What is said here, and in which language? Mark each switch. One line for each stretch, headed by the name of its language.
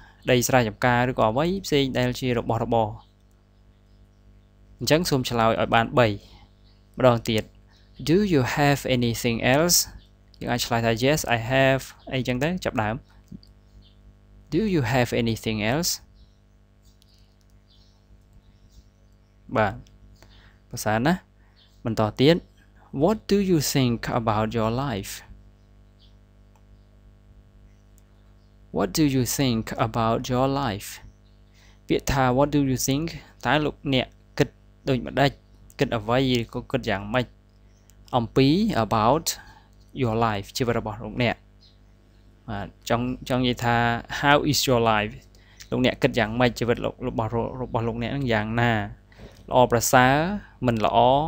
Khmer: ដីស្រែចម្ការឬក៏អ្វីផ្សេងដែលជារបស់របរអញ្ចឹងសូមឆ្លើយឲ្យបាន3ម្ដងទៀត
English: Do you have anything else
Khmer: យើងអាចឆ្លើយថា
English: Yes I have
Khmer: អីចឹងទៅចាប់ដើម
English: Do you have anything else?
Khmer: បាទ ប្រសើរណាស់ បន្តទៀត
English: What do you think about your life? What do you think about your life?
Khmer: ពាក្យថា
English: What do you think?
Khmer: តើលោកអ្នកគិតដូចម្ដេច? គិតអ្វីឬក៏គិតយ៉ាងម៉េច? អំពី
English: about your life
Khmer: ជីវិតរបស់លោកអ្នកបាទចង់និយាយថា
English: how is your life
Khmer: លោកអ្នកគិតយ៉ាងម៉េចជីវិតរបស់លោកអ្នកនឹងយ៉ាងណាល្អប្រសើរមិនល្អ